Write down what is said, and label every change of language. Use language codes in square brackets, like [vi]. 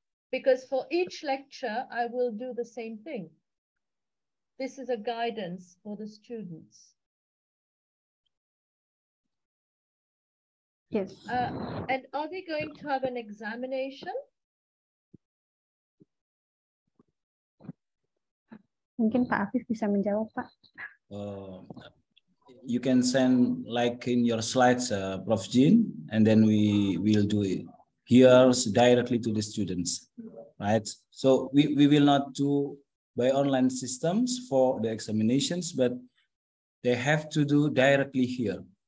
[en] Because for each lecture I will do the same thing. This is a guidance for the students. Yes. And are they going to have an examination? [id] Mungkin Pak Afif bisa menjawab, Pak. [en] You can send like in your slides, Prof. Jin, and then we will do it here directly to the students, right? So we will not do by online systems for the examinations, but they have to do directly here.